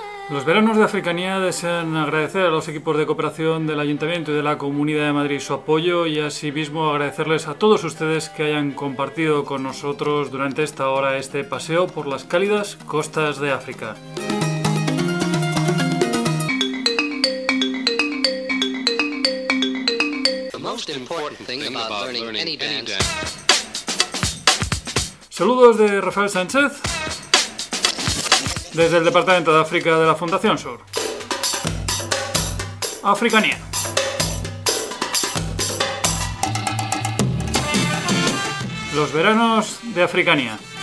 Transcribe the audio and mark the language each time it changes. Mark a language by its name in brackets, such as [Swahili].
[Spanish] Los veranos de Africanía desean agradecer a los equipos de cooperación del Ayuntamiento y de la Comunidad de Madrid su apoyo y asimismo agradecerles a todos ustedes que hayan compartido con nosotros durante esta hora este paseo por las cálidas costas de África. [English] The most important thing about learning any dance. [Spanish] Saludos de Rafael Sánchez, desde el Departamento de África de la Fundación Sur. Africanía. Los veranos de Africanía.